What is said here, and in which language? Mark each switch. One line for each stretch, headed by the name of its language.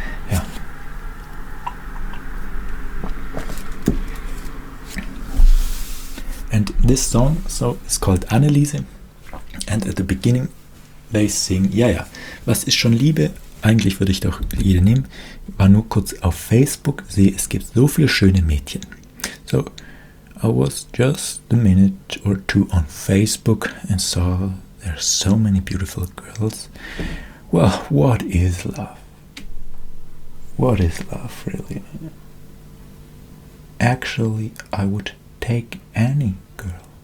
English: Yeah. And this song, so it's called Anneliese, and at the beginning they sing,
German: ja, was ist schon Liebe? Eigentlich würde ich doch jede nehmen. War nur kurz auf Facebook, sehe, es gibt so viele schöne Mädchen.
English: So, I was just a minute or two on Facebook and saw there are so many beautiful girls. Well, what is love? What is love, really? Actually, I would take any girl.